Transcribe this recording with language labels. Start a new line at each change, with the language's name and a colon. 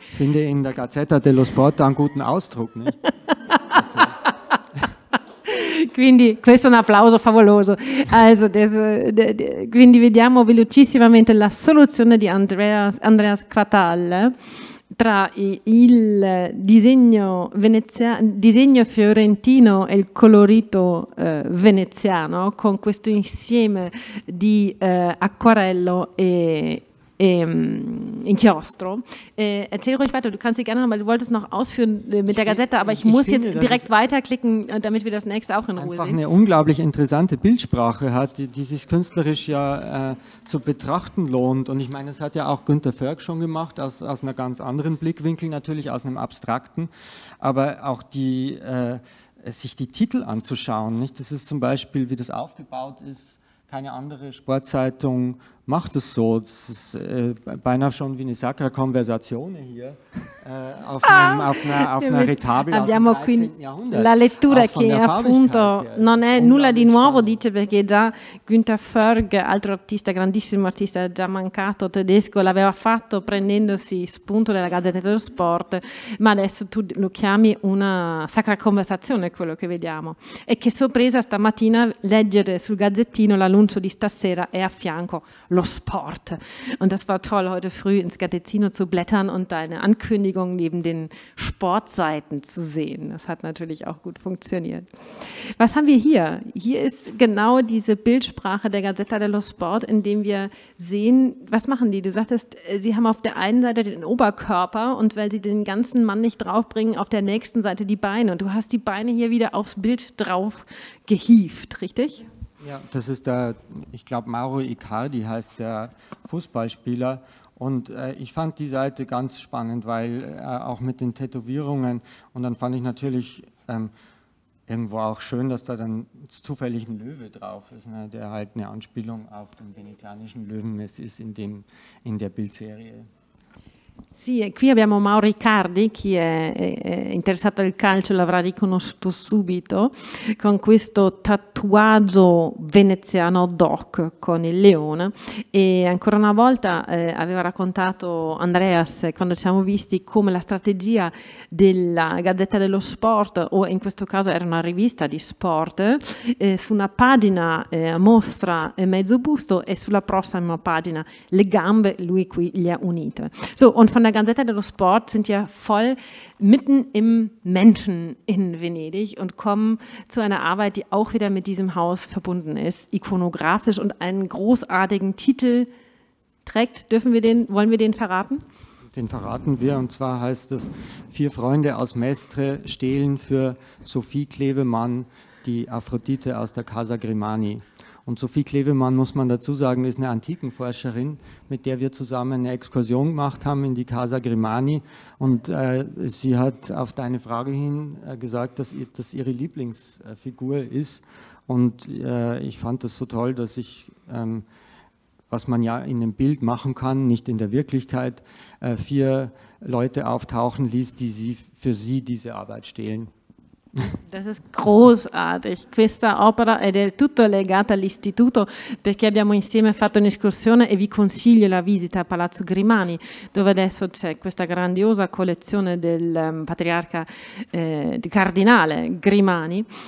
German: Finde in der Gazzetta dello Sport einen guten Ausdruck. Nicht?
Italian: Quindi questo è un applauso favoloso. Also, quindi vediamo velocissimamente la soluzione di Andreas Quatal tra il disegno fiorentino e il colorito veneziano con questo insieme di acquarello e inchiostro.
German: Erzähl ruhig weiter, du kannst dir gerne noch mal, du wolltest noch ausführen mit der Gazette, aber ich muss jetzt direkt weiterklicken, damit wir das nächste auch in Ruhe sehen. Einfach eine unglaublich interessante Bildsprache hat, die sich künstlerisch ja zu betrachten lohnt, und ich meine, das hat ja auch Günter Förg schon gemacht, aus einer ganz anderen Blickwinkel, natürlich aus einem abstrakten, aber auch die sich die Titel anzuschauen, nicht? Das ist zum Beispiel, wie das aufgebaut ist, keine andere Sportzeitung macht es so. Das ist beinahe schon wie eine Sacra Conversazione hier auf einer Retabel aus dem 13. Jahrhundert.
Italian: La lettura che appunto non è nulla di nuovo, dice, perché già Günter Förg, altro artista, grandissimo artista, già mancato tedesco, l'aveva fatto prendendosi spunto della Gazzetta dello Sport, ma adesso tu lo chiami una Sacra Conversazione, quello che vediamo. E che sorpresa stamattina leggere sul Gazzettino l'annuncio di stasera e a fianco lo Sport.
German: Und das war toll, heute früh ins Gazzettino zu blättern und deine Ankündigung neben den Sportseiten zu sehen. Das hat natürlich auch gut funktioniert. Was haben wir hier? Hier ist genau diese Bildsprache der Gazzetta dello Sport, in dem wir sehen, was machen die? Du sagtest, sie haben auf der einen Seite den Oberkörper und weil sie den ganzen Mann nicht draufbringen, auf der nächsten Seite die Beine. Und du hast die Beine hier wieder aufs Bild drauf gehievt, richtig? Ja, das ist der, ich glaube, Mauro Icardi heißt der Fußballspieler, und ich fand die Seite ganz spannend, weil auch mit den Tätowierungen, und dann fand ich natürlich irgendwo auch schön, dass da dann zufällig ein Löwe drauf ist, ne, der halt eine Anspielung auf den venezianischen Löwen ist in der Bildserie.
Italian: Sì, qui abbiamo Mauro Riccardi, chi è interessato al calcio l'avrà riconosciuto subito, con questo tatuaggio veneziano doc con il leone. E ancora una volta aveva raccontato Andreas, quando ci siamo visti, come la strategia della Gazzetta dello Sport, o in questo caso era una rivista di sport, su una pagina mostra mezzo busto e sulla prossima pagina le gambe, lui qui le ha unite.
German: So, von der Gazzetta dello Sport sind wir voll mitten im Menschen in Venedig und kommen zu einer Arbeit, die auch wieder mit diesem Haus verbunden ist, ikonografisch und einen großartigen Titel trägt. Dürfen wir den, wollen wir den verraten? Den verraten wir, und zwar heißt es: Vier Freunde aus Mestre stehlen für Sophie Klevemann die Aphrodite aus der Casa Grimani. Und Sophie Klevemann, muss man dazu sagen, ist eine Antikenforscherin, mit der wir zusammen eine Exkursion gemacht haben in die Casa Grimani. Und sie hat auf deine Frage hin gesagt, dass das ihre Lieblingsfigur ist. Und ich fand das so toll, dass ich, was man ja in einem Bild machen kann, nicht in der Wirklichkeit, vier Leute auftauchen ließ, die sie für sie diese Arbeit stehlen. Das ist großartig.
Italian: Questa opera è del tutto legata all'istituto, perché abbiamo insieme fatto un'escursione e vi consiglio la visita a Palazzo Grimani, dove adesso c'è questa grandiosa collezione del patriarca di cardinale Grimani.